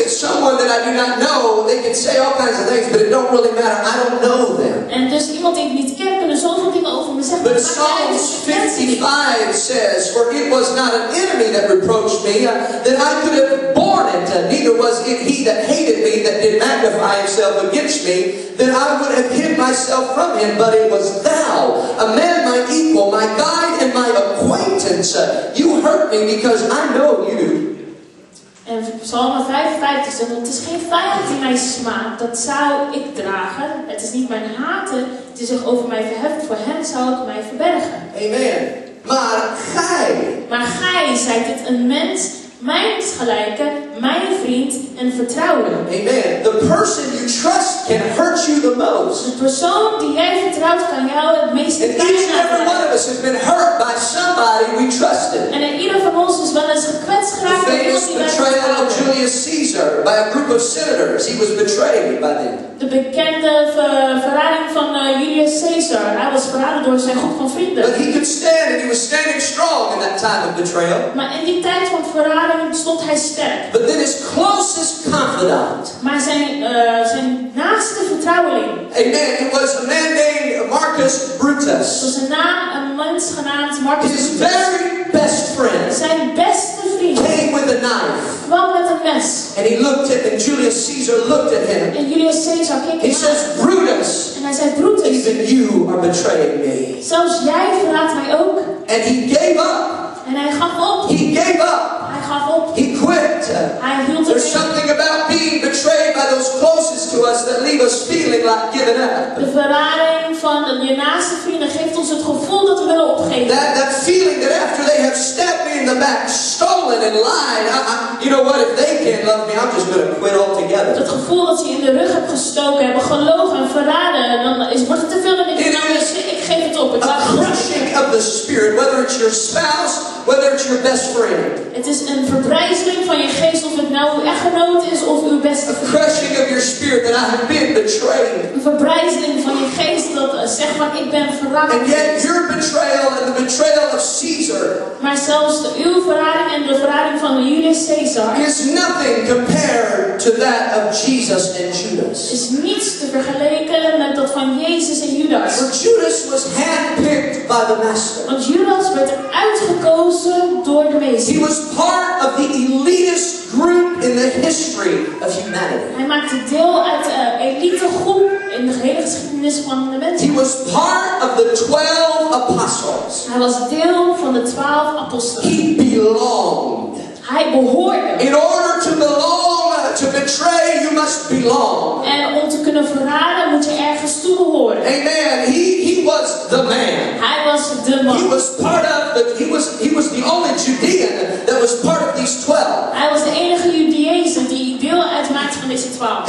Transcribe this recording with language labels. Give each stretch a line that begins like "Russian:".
English: It's someone that I do not know. They can say all kinds of things, but it don't really matter. I don't know them.
Dutch: En dus iemand die ik niet ken, kunnen zoveel dingen over me zeggen.
English: But Psalms 55 says, for it was not an enemy that reproached me, that I could have borne it. Neither was it he that hated me that did magnify himself against me, then I would have hid myself from him. But it was thou, a man my equal, my guide and my acquaintance. You hurt me because I know you.
Dutch: En Psalm 55 zegt: het is geen vijand die mij smaakt, dat zou ik dragen. Het is niet mijn haten die zich over mij verheft, voor hem zou ik mij verbergen. Amen. Maar gij. Maar gij, zei het een mens. Mijn gelijke, mijn vriend en vertrouwen. Amen.
English: The person you trust can hurt you the most.
Dutch: De persoon die jij vertrouwt kan jou het meeste pijn aandoen.
English: And each and every one of us has been hurt by somebody we trusted.
Dutch: En ieder van ons is wel eens gekwetst geraakt door iemand die wij vertrouwen.
English: The betrayal of Julius Caesar by a group of senators. He was betrayed by them.
Dutch: De bekende verrading van Julius Caesar. Hij was verraden door zijn groep van vrienden.
English: But he could stand, and he was standing strong in that time of betrayal.
Dutch: Maar in die tijd van verraden stond hij sterk.
English: But then his closest confidant.
Dutch: Maar zijn naaste vertrouweling. Amen.
English: It was a man named Marcus Brutus.
Dutch: Was een naam, een mens genaamd Marcus
English: Brutus. His very best friend.
Dutch: Zijn beste vriend.
English: Came with a knife.
Dutch: Kwam met een mes.
English: And he looked at, and Julius Caesar looked at him.
Dutch: En Julius Caesar keek hem aan.
English: He says, Brutus.
Dutch: En hij zei, Brutus.
English: Even you are betraying me.
Dutch: Zelfs jij verraadt mij ook.
English: And he gave up.
Dutch: En hij gaf op.
English: He gave up.
Dutch: Hij gaf op.
English: He quit.
Dutch: Hij hield
English: There's something about being betrayed by those closest to us that leave us feeling like giving up.
Dutch: De verrading van je naaste vrienden geeft ons het gevoel dat we willen opgeven.
English: That feeling that after they have stabbed me in the back, stolen and lied, you know what? If they can't love me, I'm just going to quit altogether.
Dutch: Het gevoel dat je in de rug hebt gestoken, hebben gelogen en verraden, dan wordt het te veel en ik geef het op.
English: A crushing of the spirit, whether it's your spouse. Whether it's your best friend.
Dutch: Het is een verbrijzeling van je geest of het nou uw echtgenoot is of uw beste vriend.
English: A crushing of your spirit that I have been betrayed.
Dutch: Een verbrijzeling van je geest dat zeg maar ik ben verraden.
English: And yet your betrayal and the betrayal of Caesar.
Dutch: Maar zelfs uw verrading en de verrading van Julius Caesar.
English: Is nothing compared to that of Jesus and Judas.
Dutch: Is niets te vergelijken met dat van Jezus en Judas.
English: For Judas was handpicked by the master.
Dutch: Want Judas werd uitgekozen.
English: He was part of the elitist group in the history of humanity.
Dutch: Hij maakte deel uit de elite groep in de hele geschiedenis van de mensheid.
English: He was part of the 12 apostles.
Dutch: Hij was deel van de 12 apostelen.
English: He belonged.
Dutch: Hij behoorde.
English: In order to belong, to betray, you must belong.
Dutch: En om te kunnen verraden, moet je ergens toe behoren.
English: Amen. He was the man.
Dutch: Hij was de man.
English: He was part of the. He was the only Judean that was part of these 12.
Dutch: Hij was de enige Judeezer die deel uitmaakte van deze 12.